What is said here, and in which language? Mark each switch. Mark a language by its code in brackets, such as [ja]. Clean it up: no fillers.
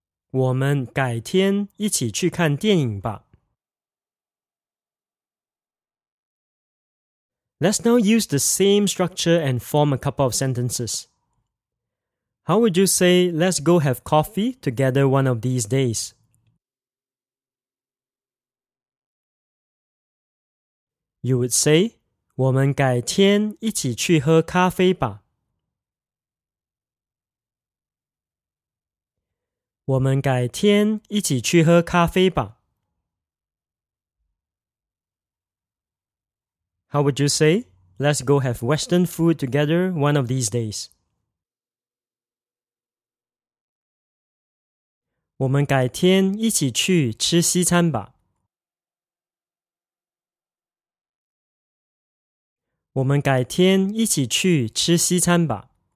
[zh] 我们改天一起去看电影吧。 [en] Let's now use the same structure and form a couple of sentences. How would you say, let's go have coffee together one of these days? You would say, [zh] 我们改天一起去喝咖啡吧。我们改天一起去喝咖啡吧。 [en] How would you say, let's go have Western food together one of these days? [zh] 我们改天一起去吃西餐吧。我们改天一起去吃西餐吧。